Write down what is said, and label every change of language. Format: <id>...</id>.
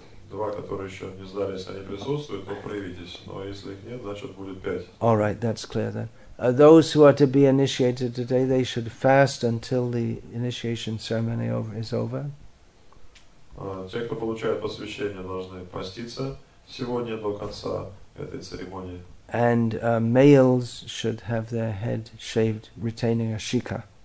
<ru>Два, которые еще не знали, если они присутствуют, то проявитесь. Но если их нет, значит будет 5.</ru> <en>All right, that's clear then. Those who are to be initiated today, they should fast until the initiation ceremony is over.</en> <ru>Те, кто получает посвящение, должны поститься сегодня до конца этой церемонии.</ru> <en>And males should have their head shaved, retaining a shikha.</en>